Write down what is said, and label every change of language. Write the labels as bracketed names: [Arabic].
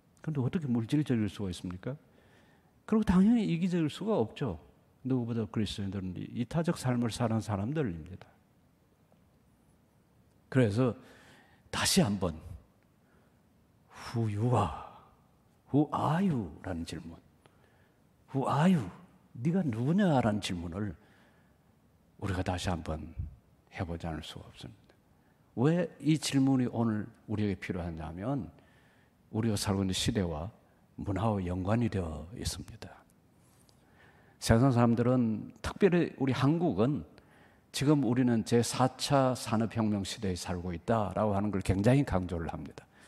[Korean] 그런데 어떻게 물질적일 수가 있습니까? 그리고 당연히 이기적일 수가 없죠. 누구보다 그리스도인들은 이타적 삶을 사는 사람들입니다. 그래서 다시 한번 [English] Who you are? Who are you? [Korean] 라는 질문, [English] Who are you? [Korean] 네가 누구냐? 라는 질문을 우리가 다시 한번 해보지 않을 수가 없습니다. 왜 이 질문이 오늘 우리에게 필요하냐면 우리가 살고 있는 시대와 문화와 연관이 되어 있습니다. 세상 사람들은, 특별히 우리 한국은 지금 우리는 제4차 산업혁명 시대에 살고 있다라고 하는 걸 굉장히 강조를 합니다.